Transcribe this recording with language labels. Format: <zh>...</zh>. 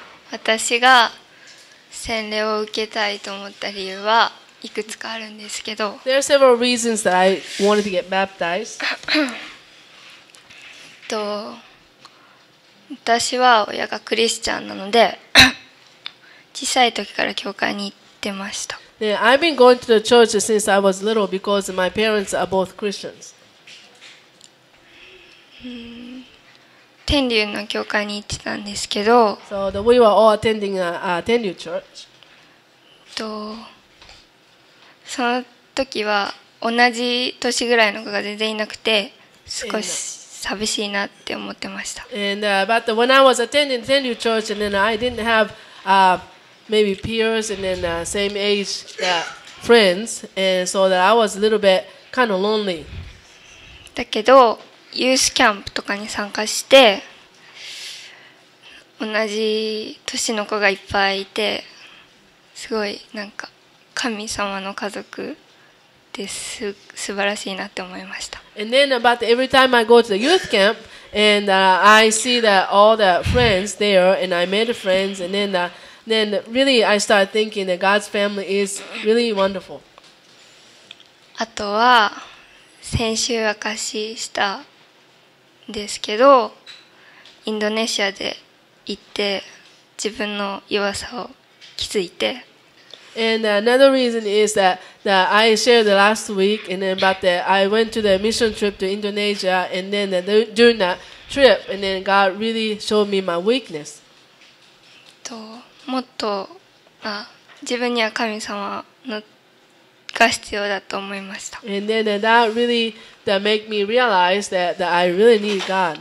<ja>私が洗礼を受けたいと思った理由はいくつかあるんですけど。</ja> <en>There are several reasons that I wanted to get baptized.</en> <ja>私は親がクリスチャンなので、小さい時から教会に行ってました。</ja> <en>Yeah, I've been going to the church since I was little because my parents are both Christians.</en> <ja>天竜の教会に行ってたんですけど、</ja> <en>so we were all attending天竜 church.</en> <ja>その時は同じ年ぐらいの子が全然いなくて、少し寂しいなって思ってました。</ja> <en>And but when I was attending 天竜 church, and then I didn't have maybe peers and then same age friends, and so that I was a little bit kind of lonely.</en> <ja>だけど。ユースキャンプとかに参加して同じ年の子がいっぱいいてすごいなんか神様の家族です、素晴らしいなって思いました。</ja> <en>And then about every time I go to the youth camp and I see that all the friends there and I made friends and then really I start thinking that God's family is really wonderful.</en> <ja>あとは先週明かししたですけど、インドネシアで行って自分の弱さを気づいて。</ja> <en>And another reason is that I shared the last week, and then about that I went to the mission trip to Indonesia, and then during that trip, and then God really showed me my weakness.</en> <ja>もっと自分には神様のが必要だと思いました。</ja> <en>And then that really that make me realize that I really need God.</en>